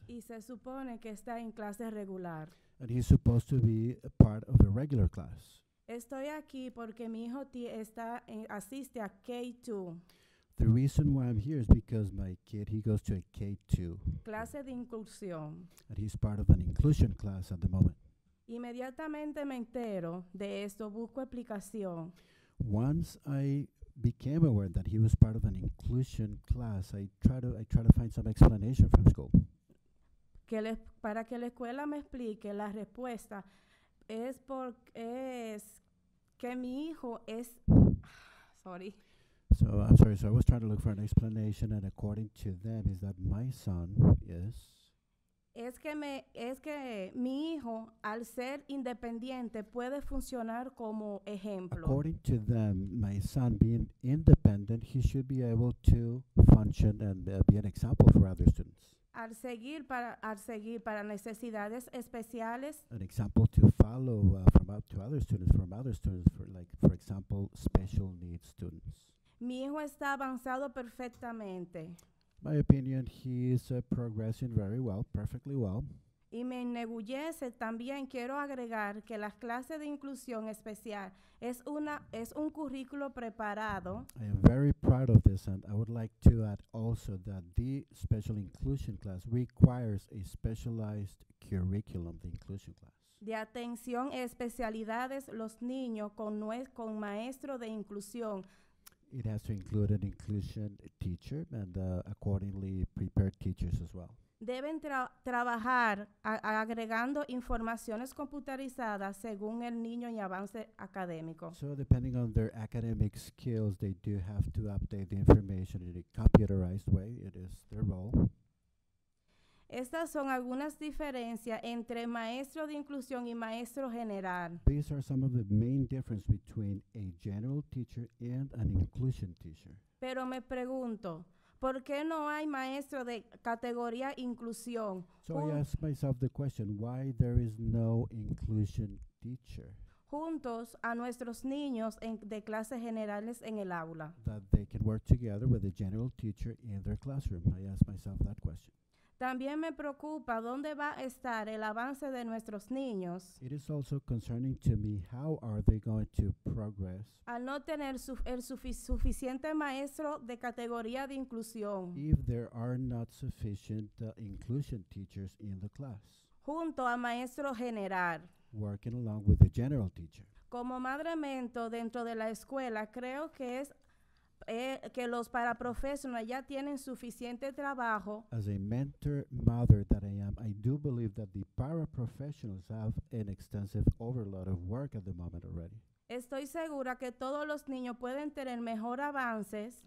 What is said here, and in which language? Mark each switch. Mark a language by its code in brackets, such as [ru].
[es] Y se supone que está en clase regular. [en] And he's supposed to be a part of a regular class. [es] Estoy aquí porque mi hijo asiste a K-2. [en] The reason why I'm here is because my kid, he goes to a K-2. [es] Clase de inclusión. [en] And he's part of an inclusion class at the moment. [es] Inmediatamente me entero de esto, busco explicación. [en] Once I became aware that he was part of an inclusion class, I try to find some explanation from school. [es] Para que la escuela me explique, la respuesta es porque es que mi hijo es... Sorry. [en] So I'm sorry, so I was trying to look for an explanation, and according to them, is that my son is? [es] Es que me, es que mi hijo, al ser independiente, puede funcionar como ejemplo. [en] According to them, my son being independent, he should be able to function and be an example for other students. [es] Al seguir para necesidades especiales. [en] An example to follow for example, special needs students. [es] Mi hijo está avanzado perfectamente. [en] My opinion, he is progressing very well, perfectly well. [es] Y me enorgullece también, quiero agregar que las clases de inclusión especial es un currículo preparado. [en] I am very proud of this, and I would like to add also that the special inclusion class requires a specialized curriculum, the inclusion class. [es] De atención a especialidades, los niños con maestro de inclusión. [en] It has to include an inclusion teacher and accordingly prepared teachers as well. [es] Deben trabajar agregando informaciones computarizadas según el niño y avance académico. [en] So depending on their academic skills, they do have to update the information in a computerized way. It is their role. [es] Estas son algunas diferencias entre maestro de inclusión y maestro general. [en] These are some of the main differences between a general teacher and an inclusion teacher. [es] Pero me pregunto, ¿por qué no hay maestro de categoría inclusión? [en] So I ask myself the question, why there is no inclusion teacher? [es] Juntos a nuestros niños de clases generales en el aula. [en] That they can work together with a general teacher in their classroom. I ask myself that question. [es] También me preocupa dónde va a estar el avance de nuestros niños. [en] It is also concerning to me, how are they going to progress? [es] Al no tener suficiente maestro de categoría de inclusión. [en] If there are not sufficient inclusion teachers in the class. [es] Junto a maestro general. [en] Working along with the general teacher. [es] Como madre mentor dentro de la escuela, creo que es que los paraprofesionales ya tienen suficiente trabajo. [en] As a mentor mother that I am, I do believe that the paraprofessionals have an extensive overload of work at the moment already. [es] Estoy segura que todos los niños pueden tener mejor avances.